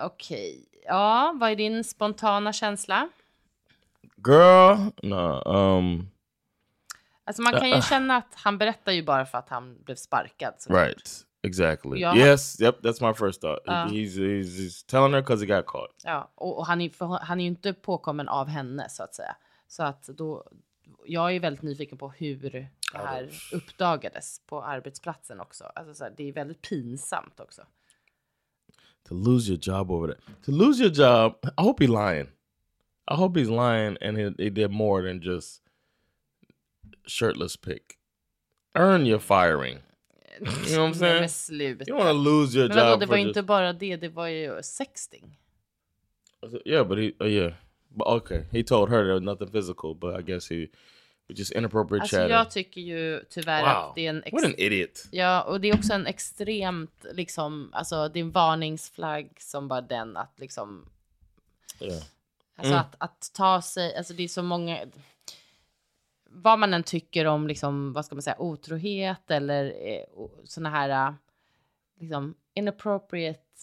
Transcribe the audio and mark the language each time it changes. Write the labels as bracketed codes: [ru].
[sv] Okay. Ja, vad är din spontana känsla? [en] Girl, no. [sv] Alltså man kan ju känna att han berättar ju bara för att han blev sparkad. Såklart. [en] Right, exactly. Yep, that's my first thought. He's telling her because he got caught. [sv] Ja, och han är ju inte påkommen av henne så att säga. Så att då, jag är väldigt nyfiken på hur det här uppdagades på arbetsplatsen också. Alltså så här, det är väldigt pinsamt också. [en] To lose your job over that. To lose your job, I hope he's lying. I hope he's lying and he did more than just shirtless pick. Earn your firing. You know what I'm saying? [sv] Nej, men sluta. [en] You want to lose your [sv] men [en] job. [sv] Men det var inte bara det var ju sexting. [en] Yeah, but but okay. He told her there was nothing physical, but I guess he was just inappropriate [sv] alltså, [en] chatting. [sv] Jag tycker ju tyvärr att det är en [en] what an idiot. [sv] Ja, och det är också en extremt liksom alltså det är en varningsflagg som bara den att liksom alltså att ta sig, alltså det är så många, vad man än tycker om liksom, vad ska man säga, otrohet eller såna här liksom inappropriate